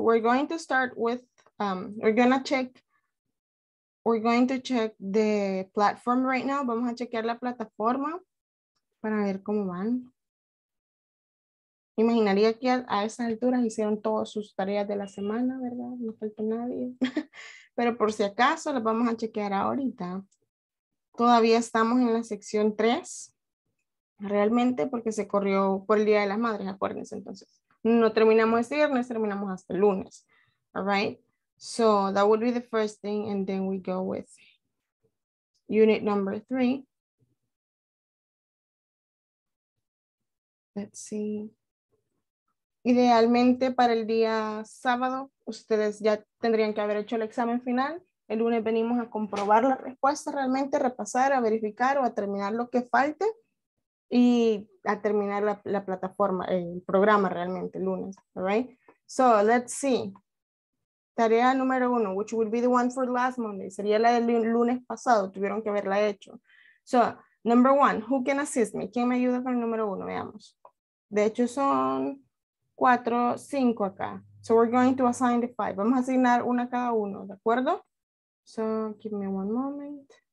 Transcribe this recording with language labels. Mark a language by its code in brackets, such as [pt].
[en] We're going to start with, we're going to check the platform right now. [es] Vamos a chequear la plataforma para ver cómo van. Imaginaría que a esa altura hicieron todas sus tareas de la semana, ¿verdad? No faltó nadie. Pero por si acaso, las vamos a chequear ahorita. Todavía estamos en la sección 3. Realmente porque se corrió por el Día de las Madres, acuérdense, entonces. No terminamos este viernes, terminamos hasta el lunes. [en] All right? So that would be the first thing, and then we go with unit number 3. Let's see. [es] Idealmente para el día sábado, ustedes ya tendrían que haber hecho el examen final. El lunes venimos a comprobar la respuesta realmente, a repasar, a verificar o a terminar lo que falte. Y a terminar la plataforma, el programa realmente, el lunes, [en] all right? So, let's see. [es] Tarea número uno, [en] which would be the one for last Monday. [es] Sería la del lunes pasado, tuvieron que haberla hecho. [en] So, number one, who can assist me? [es] ¿Quién me ayuda con el número uno? Veamos. De hecho, son 4, 5 acá. [en] So, we're going to assign the 5. [es] Vamos a asignar una a cada uno, ¿de acuerdo? [en] So, give me one moment.